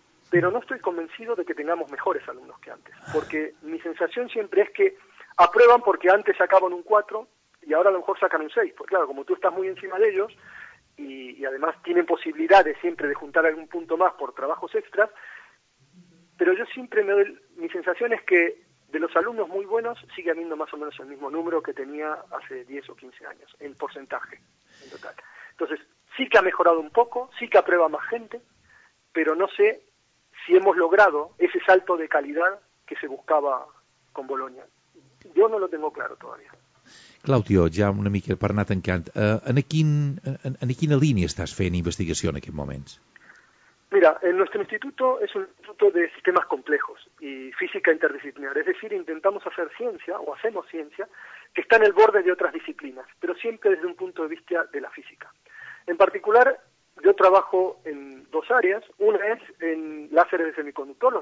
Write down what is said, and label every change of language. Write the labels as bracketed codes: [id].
[es] Pero no estoy convencido de que tengamos mejores alumnos que antes, porque mi sensación siempre es que aprueban porque antes sacaban un 4 y ahora a lo mejor sacan un 6. Pues claro, como tú estás muy encima de ellos y además tienen posibilidades siempre de juntar algún punto más por trabajos extras, pero yo siempre me doy, mi sensación es que de los alumnos muy buenos sigue habiendo más o menos el mismo número que tenía hace 10 o 15 años, en porcentaje, en total. Entonces, sí que ha mejorado un poco, sí que aprueba más gente, pero no sé si hemos logrado ese salto de calidad que se buscava con Bolonya. [ca] Jo [es] no lo tengo claro todavía. [ca] Claudio, ja una mica per anar tancant, en quina línia estàs fent investigació en aquests moments? [es] Mira, en nuestro instituto es un instituto de sistemas complejos y física interdisciplinar. Es decir, intentamos hacer ciencia, o hacemos ciencia, que está en el borde de otras disciplinas, pero siempre desde un punto de vista de la física. En particular, yo trabajo en dos áreas. Una es en láseres de semiconductor.